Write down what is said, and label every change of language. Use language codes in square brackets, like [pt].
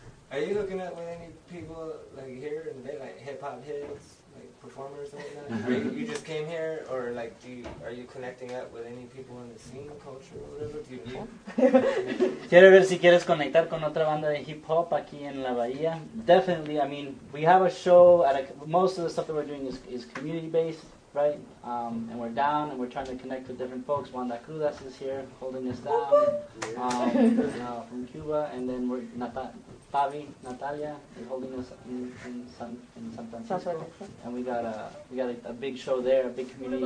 [en] Are you looking at with any people like here and they like hip hop heads, like performers and whatnot? you just came here, or like are you connecting up with any people in the scene culture or whatever? Do you know? [es] Quiero ver si quieres conectar con otra banda de hip hop aquí en la bahía. [en] Definitely. I mean, we have a show. Most of the stuff that we're doing is community based. Right, and we're down, and we're trying to connect with different folks. Wanda Cruz is here, holding us down, from Cuba, and then we're Natalia is holding us in San Francisco, and we got a big show there, a big community